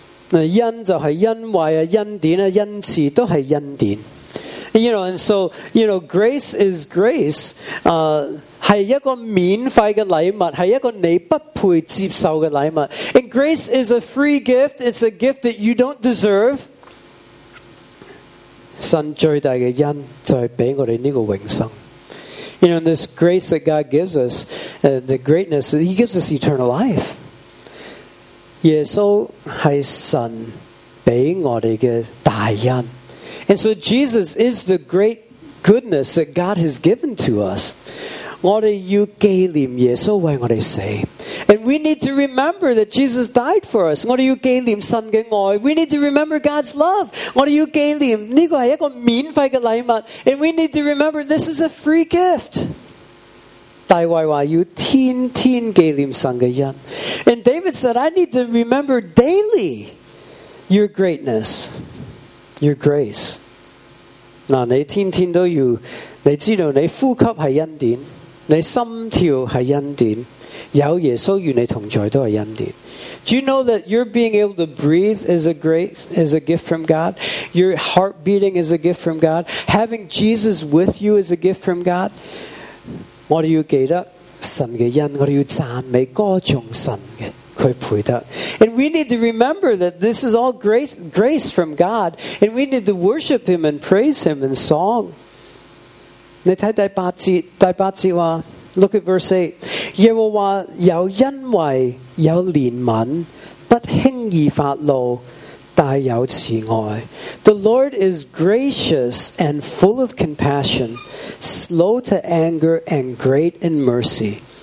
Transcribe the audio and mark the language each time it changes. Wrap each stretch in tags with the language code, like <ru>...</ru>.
<zh>恩就是恩惠，恩典，恩赐都是恩典。</zh> <en>You know, and so, you know, grace is grace.</en> <zh>是一个免费的礼物，是一个你不配接受的礼物。</zh> <en>And grace is a free gift. It's a gift that you don't deserve.</en> <zh>神最大的恩就是给我们这个永生。</zh> <en>You know, this grace that God gives us, the greatness, he gives us eternal life.</en> <zh>耶稣是神给我们的大恩。</zh> <en>And so Jesus is the great goodness that God has given to us.</en> <zh>我们要纪念耶稣为我们死。</zh> <en>And we need to remember that Jesus died for us.</en> <zh>我们要纪念神的爱。</zh> <en>We need to remember God's love.</en> <zh>我们要纪念，这个是一个免费的礼物。</zh> <en>And we need to remember this is a free gift.</en> <zh>大卫说要天天纪念神的恩。</zh> <en>And David said, I need to remember daily your greatness. Your grace.</en> <zh>那你天天都要，你知道你呼吸是恩典，你心跳是恩典，有耶稣与你同在都是恩典。</zh> <en>Do you know that your being able to breathe is a grace, is a gift from God? Your heart beating is a gift from God? Having Jesus with you is a gift from God?</en> <zh>我们要记得神的恩，我们要赞美歌颂神的。</zh> <en>And we need to remember that this is all grace from God, and we need to worship him and praise him in song. Look at verse 8.</en> <zh>耶和华有恩惠，有怜悯，不轻易发怒，大有慈爱。</zh> <en>The Lord is gracious and full of compassion, slow to anger and great in mercy.</en>